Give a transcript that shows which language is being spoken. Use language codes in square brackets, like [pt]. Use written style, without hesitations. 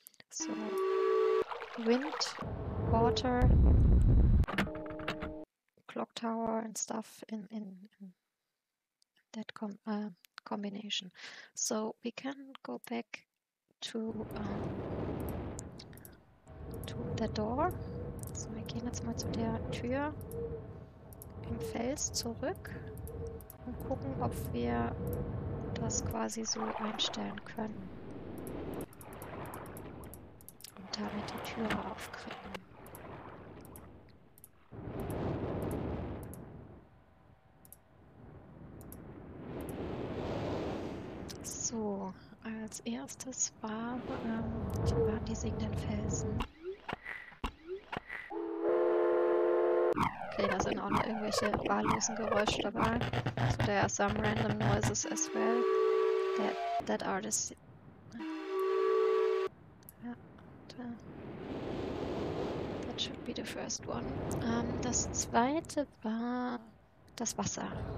[en] So, wind, water, clock tower and stuff in that combination. So, we can go back to the door. So, we [de] gehen jetzt mal zu der Tür im Fels zurück und gucken, ob wir das quasi so einstellen können. Und damit die Tür aufkriegen. So, als erstes waren die singenden Felsen. Okay, da sind auch noch irgendwelche wahllosen Geräusche dabei. [en] So, there are some random noises as well. That artist. That should be the first one. [de] Das zweite war das Wasser.